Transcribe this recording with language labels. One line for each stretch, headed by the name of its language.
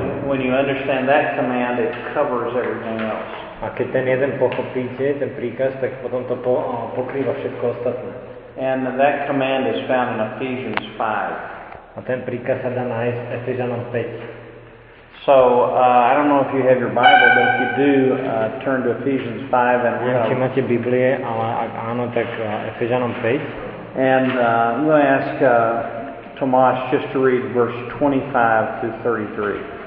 English: when you understand that command, it covers everything else.
Slovak: A keď ten jeden pochopíte, ten príkaz, tak potom to pokrýva všetko ostatné.
English: And that command is found in Ephesians 5.
Slovak: A ten príkaz sa dá nájsť v Efezanom 5.
English: So, I don't know if you have your Bible, but if you do, turn to Ephesians 5 and
Slovak: we'll... Neviem, či máte Biblie, ale ak áno, tak Efezanom 5.
English: And I'm going to ask Tomáš just to read verse 25 through 33.